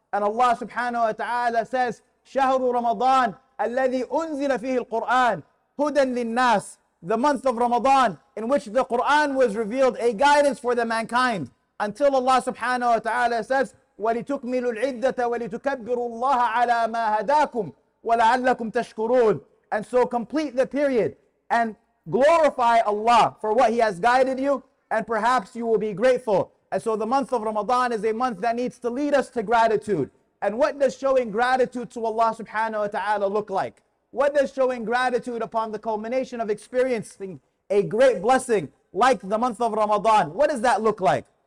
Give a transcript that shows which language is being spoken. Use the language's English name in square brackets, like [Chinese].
[English] And Allah subhanahu wa ta'ala says, [Arabic] شهر رمضان الذي أنزل فيه القرآن هدى للناس. [English] The month of Ramadan in which the Quran was revealed, a guidance for the mankind. Until Allah subhanahu wa ta'ala says, [Arabic] وَلِتُكْمِلُوا الْعِدَّةَ وَلِتُكَبِّرُوا اللَّهَ عَلَىٰ مَا هَدَاكُمْ وَلَعَلَّكُمْ تَشْكُرُونَ. [English] And so complete the period and glorify Allah for what He has guided you, and perhaps you will be grateful. And so the month of Ramadan is a month that needs to lead us to gratitude. And what does showing gratitude to Allah subhanahu wa ta'ala look like? What does showing gratitude upon the culmination of experiencing a great blessing like the month of Ramadan, what does that look like?